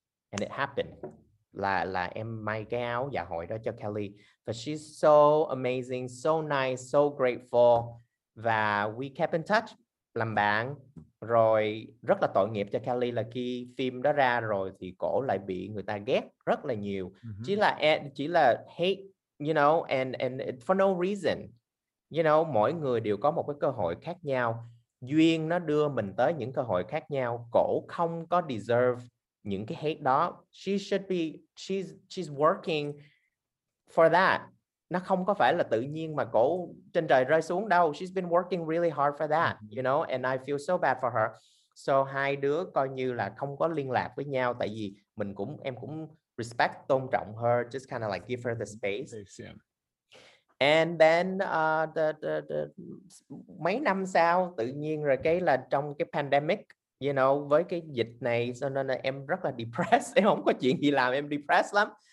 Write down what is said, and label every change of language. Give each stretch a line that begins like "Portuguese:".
English: And it happened,
Vietnamese: là em may cái áo dạ hội đó cho Kelly,
English: but she's so amazing, so nice, so grateful. Và we kept in touch,
Vietnamese: làm bạn. Rồi rất là tội nghiệp cho Kelly là khi phim đó ra rồi thì cổ lại bị người ta ghét rất là nhiều. Chỉ là
English: hate, you know, and for no reason, you know.
Vietnamese: Mỗi người đều có một cái cơ hội khác nhau, duyên nó đưa mình tới những cơ hội khác nhau. Cổ không có deserve những cái hate đó.
English: She's working for that.
Vietnamese: Nó không có phải là tự nhiên mà cổ trên trời rơi xuống đâu.
English: She's been working really hard for that, you know, and I feel so bad for her.
Vietnamese: So hai đứa coi như là không có liên lạc với nhau, tại vì mình cũng, em cũng respect, tôn trọng her,
English: just kind of like give her the space. And then
Vietnamese: the mấy năm sau, tự nhiên rồi cái là trong cái pandemic,
English: you know,
Vietnamese: với cái dịch này, cho nên là em rất là depressed, em không có chuyện gì làm, em depressed lắm.